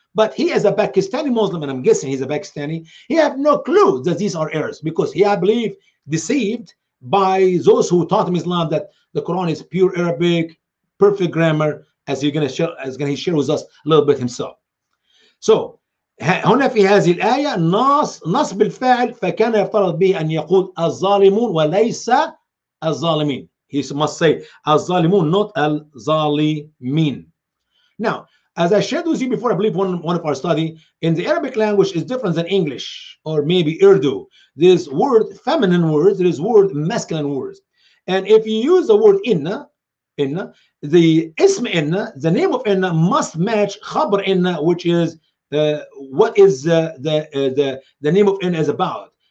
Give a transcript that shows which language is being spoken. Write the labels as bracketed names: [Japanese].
[English] But he is a Pakistani Muslim, and I'm guessing he's a Pakistani. He have no clue that these are errors, because he, I believe, deceived by those who taught him Islam that the Quran is pure Arabic, perfect grammar, as he's going to share with us a little bit himself. So [Arabic] هنا في هذه الآية نص نص بالفعل فكان يفترض به أن يقول الظالمون وليس الظالمين. [English] He must say الظالمون not الظالمين. Now, as I shared with you before, I believe one of our study in the Arabic language is different than English or maybe Urdu. This word feminine words, this word masculine words. And if you use the word inna, the ism inna, the name of inna must match khabar inna, which is what is the name of inna is about.